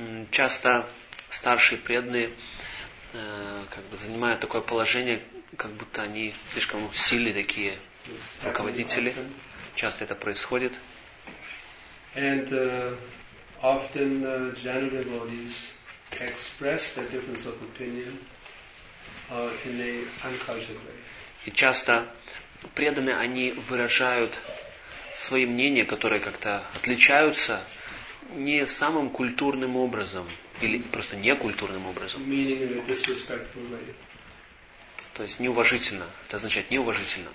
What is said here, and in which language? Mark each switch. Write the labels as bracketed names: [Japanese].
[Russian] Часто старшие преданные как бы занимают такое положение, как будто они слишком сильные такие руководители. Часто это происходит. [English] And often general devotees express their difference of opinion in a uncultured way. [Russian] И часто преданные они выражают свои мнения, которые как-то отличаются не самым культурным образом или просто некультурным образом. [English] Meaning in a disrespectful way. [Russian] То есть неуважительно. Это означает неуважительно.